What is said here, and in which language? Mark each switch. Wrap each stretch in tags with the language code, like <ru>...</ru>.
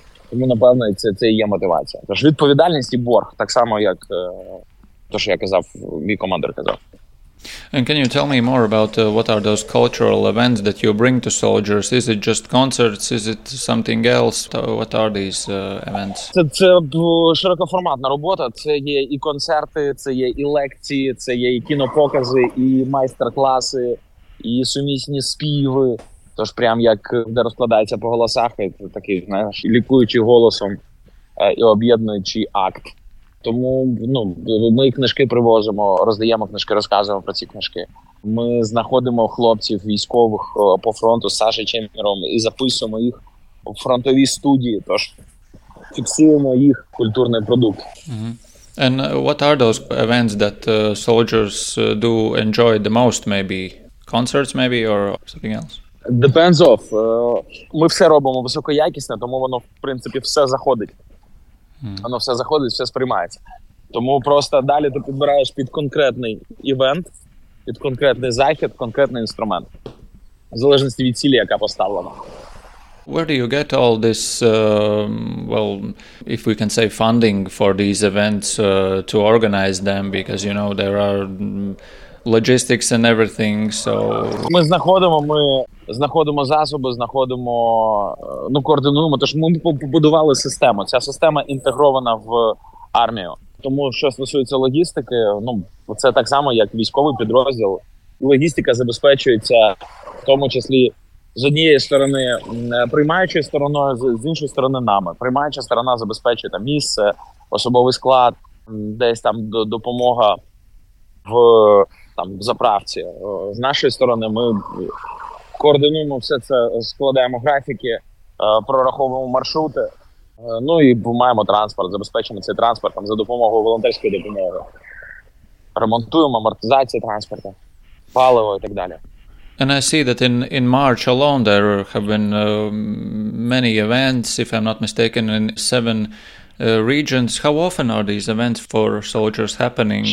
<uk>Тому напевно, це і є мотивація. Тож відповідальність і борг, так само, як то, що я казав, мій командир казав.</uk> <en>And can you tell me more about what are those cultural events that you bring to soldiers? Is it just concerts? Is it something else? What are these events?</en> <uk>Це широкоформатна робота. Це є і концерти, це є і лекції, це є і кінопокази, і майстер-класи, і сумісні співи. Тож прям як де розкладається по голосах, такий, знаєш, лікуючий голосом і об'єднуючий акт. Тому, ну, ми книжки привозимо, роздаємо книжки, розказуємо про ці книжки. Ми знаходимо хлопців військових по фронту з Сашою Чемпіром і записуємо їх у фронтові студії, тож фіксуємо їх культурний продукт. Mm-hmm.</uk> <en>And what are those events that soldiers do enjoy the most, maybe? Concerts, maybe, or something else? Depends of.</en> <uk>Ми все робимо високоякісне, тому воно, в принципі, все заходить. Воно все заходить, все сприймається. Тому просто далі ти підбираєш під конкретний івент, під конкретний захід, конкретний інструмент. В залежності від цілі, яка поставлена.</uk> <en>Where do you get all this, well, if we can say funding for these events, to organize them? Because, you know, there are logistics and everything, so...</en> <uk>Ми знаходимо засоби, знаходимо, ну, координуємо, тож ми побудували систему. Ця система інтегрована в армію. Тому, що стосується логістики, ну, це так само, як військовий підрозділ. Логістика забезпечується, в тому числі, з однієї сторони приймаючою стороною, з іншої сторони нами. Приймаюча сторона забезпечує там місце, особовий склад, десь там допомога в там заправці. З нашої сторони ми координуємо все це, складаємо графіки, прораховуємо маршрути, ну і маємо транспорт, забезпечуємо цей транспорт там, за допомогою волонтерської допомоги. Ремонтуємо, амортизацію транспорту, паливо і так далі.</uk> <en>And I see that in March alone there have been many events, if I'm not mistaken, in 7 regions. How often are these events for soldiers happening?</en>